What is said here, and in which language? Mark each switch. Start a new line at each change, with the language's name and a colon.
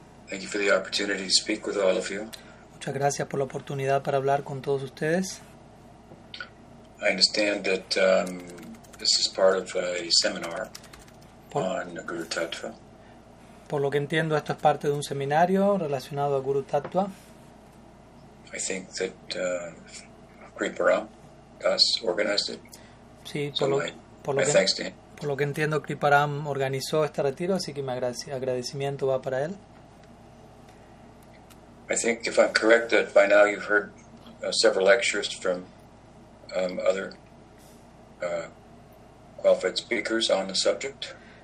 English: Thank you for the opportunity to speak with all of you.
Spanish: Muchas gracias por la oportunidad para hablar con todos ustedes.
English: I understand that this is part of a seminar on Guru Tattva.
Spanish: Por lo que entiendo, esto es parte de un seminario relacionado a Guru Tattva.
English: I think that Kripa Das organized it.
Spanish: Sí, por lo que entiendo, Kripa Ram organizó este retiro, así que mi agradecimiento va para él.
English: I think, if I'm correct, that by now you've heard several lectures from other qualified speakers on the subject.